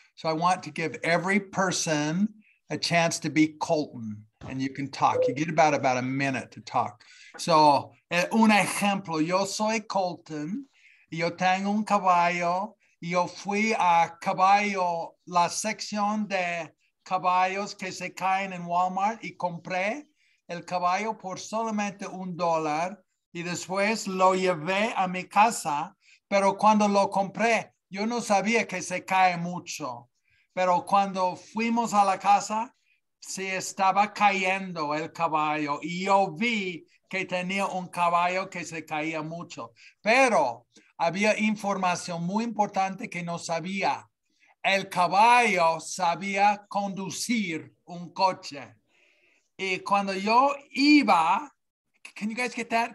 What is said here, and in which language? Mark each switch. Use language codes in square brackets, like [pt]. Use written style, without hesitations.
[en] So I want to give every person a chance to be Colton and you can talk. You get about a minute to talk. [es] So, un ejemplo, yo soy Colton, yo tengo un caballo. Yo fui a caballo, la sección de caballos que se caen en Walmart y compré el caballo por solamente $1 y después lo llevé a mi casa. Pero cuando lo compré, yo no sabía que se cae mucho. Pero cuando fuimos a la casa, se estaba cayendo el caballo y yo vi que tenía un caballo que se caía mucho. Pero había información muy importante que no sabía. El caballo sabía conducir un coche. Y cuando yo iba, [en] can you guys get that?